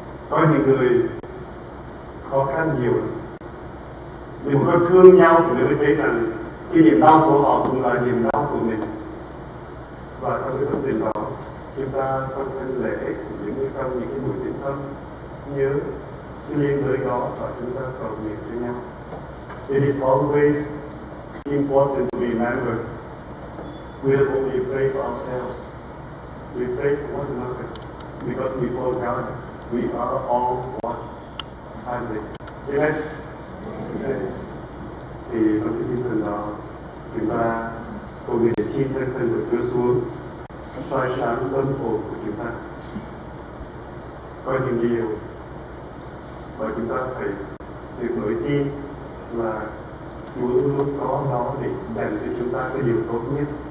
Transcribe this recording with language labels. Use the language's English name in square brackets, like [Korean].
[Vietnamese] Có những người khó khăn nhiều. Mình có thương nhau thì mình mới thấy rằng cái niềm đau của họ cũng là niềm đau của mình. Và trong cái tâm tình đó, chúng ta trong cái lễ, những cái trong những cái buổi tĩnh tâm nhớ cái liên đới đó và chúng ta cầu nguyện cho nhau. [English] It is always important to remember. We are only pray for ourselves. We pray for one another. Because before God, we are all one family. Amen. [Vietnamese] Thì trong cái tinh thần đó, chúng ta cầu nguyện để xin thân thân của Chúa xuống soi sáng tâm hồn của chúng ta. Có những điều mà chúng ta phải được nổi tin là Chúa luôn có đó để dành cho chúng ta cái điều tốt nhất.